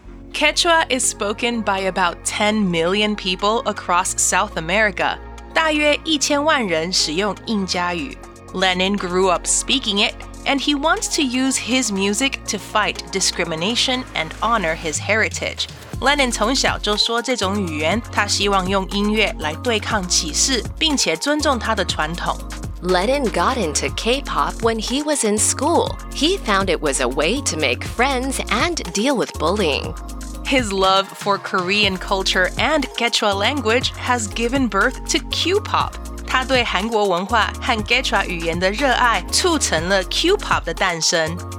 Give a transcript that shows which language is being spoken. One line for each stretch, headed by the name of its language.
English: Quechua is spoken by about 10 million people across South America.
Chinese: 大约一千万人使用印加语。
English: Lennon grew up speaking it, and he wants to use his music to fight discrimination and honor his heritage.
Chinese: Lennon 从小就说这种语言，他希望用音乐来对抗歧视，并且尊重他的传统。
English: Lennon got into K-pop when he was in school. He found it was a way to make friends and deal with bullying. His love for Korean culture and Quechua language has given birth to Q-pop.
Chinese: 他对韩国文化和 Quechua 语言的热爱促成了 Q-pop 的诞生。